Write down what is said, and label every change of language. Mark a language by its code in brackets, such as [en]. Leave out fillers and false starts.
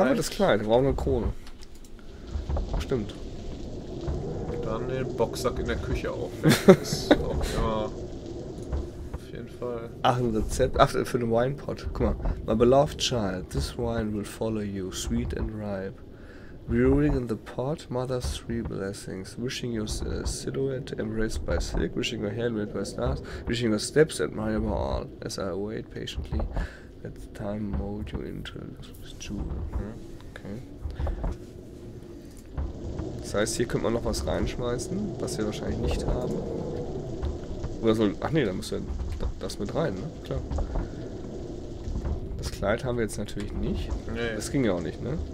[de] Haben wir, das Kleid. Wir brauchen eine Krone. Stimmt. Und dann den Boxsack in der Küche aufwenden. Ja. Ach, ein Rezept. Ach, für den Winepot. Guck mal. [en] My beloved child, this wine will follow you, sweet and ripe. Brewing in the pot, mother's 3 blessings. Wishing your silhouette embraced by silk, wishing your hair lit by stars, wishing your steps admired by all. As I await patiently, let the time mold you into this jewel. Okay. [de] Das heißt, hier könnte man noch was reinschmeißen, was wir wahrscheinlich nicht haben. Oder soll. Ach nee, da muss ja. Das mit rein, ne? Klar. Das Kleid haben wir jetzt natürlich nicht. Nee. Das ging ja auch nicht, ne?